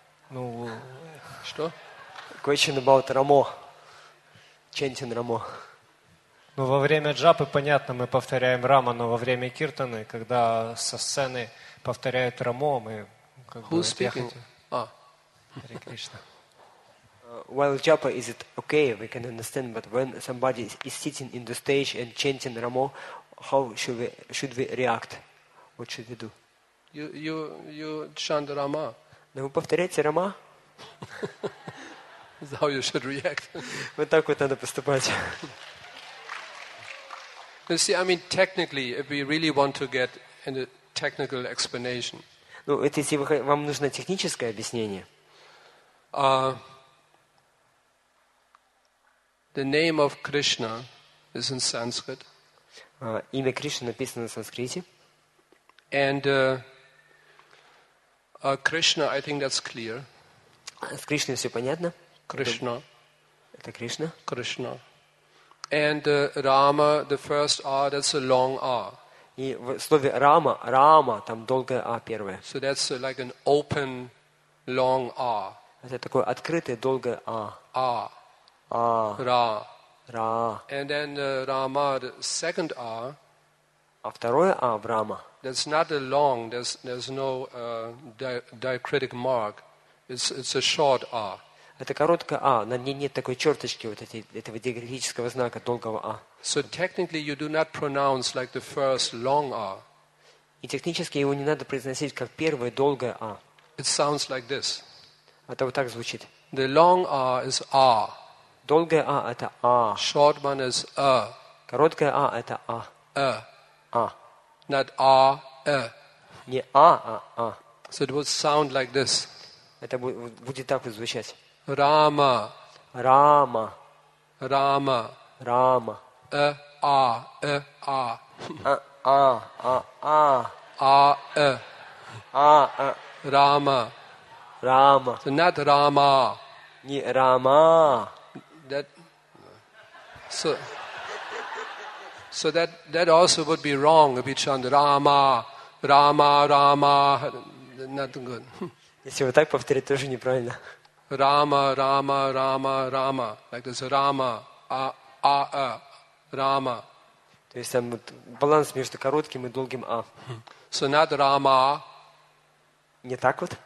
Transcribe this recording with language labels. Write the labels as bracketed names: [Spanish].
[Russian] Ну, что? [English] Question about Рамо. Chanting Рамо. [Russian] Ну, во время джапы, понятно, мы повторяем Рама, но во время киртаны, когда со сцены повторяют Рамо, мы как [English] Who's [Russian] бы [English] speaking? [Sanskrit] Хари Кришна. [English] While japa is it okay, we can understand, but when somebody is sitting in the stage and chanting Ramo, how should we react? What should we do? You chant Rama. [Russian] Да вы повторяете Рама? [English] That's how you should react. [Russian] Вот так вот надо поступать. [English] You see, I mean, technically, if we really want to get a technical explanation. [Russian] Ну, это если вам нужно техническое объяснение. [English] The name of Krishna is in Sanskrit. [Russian] Имя Кришны написано на санскрите. [English] And Krishna, I think that's clear. [Russian] С Кришной все понятно. [English] Krishna. [Russian] Это Кришна. [English] Krishna. And Rama, the first R, that's a long R. [Russian] И в слове Рама, Рама, там долгое А первое. [English] So that's like an open, long R. [Russian] Это такое открытое долгое А. А. [English] Ra. Ra. And then Rama, the second R. [Russian] А второе А в Рама. [English] That's not a long. There's no diacritic mark. It's a short R. [Russian] Это короткое А. На ней нет такой черточки вот этого диакритического знака долгого А. [English] So technically you do not pronounce like the first long R. [Russian] И технически его не надо произносить как первое долгое А. [English] It sounds like this. [Russian] Это вот так звучит. [English] The long R is A. [Russian] Долгое А это А. [English] Short one is A. [Russian] Короткое А это А. A. А. [English] Not A, A. [Russian] Не А, а А. [English] So it would sound like this. [Russian] Это будет так вот звучать. [Sanskrit] Рама. Рама. Рама. Рама. А, А, А. А, А, А, А. А, А. А, А. Рама. Рама. [English] So not Рама. [Russian] Не Рама. [English] That so that also would be wrong if we chant Rama, Rama, Rama. Not good. [Russian] Если вы так повторите, тоже неправильно. [English] Rama, Rama, Rama, Rama. Like this, Rama, A, Rama. [Russian] То есть там баланс между коротким и долгим А. [English] So not Rama. [Russian] Не так вот.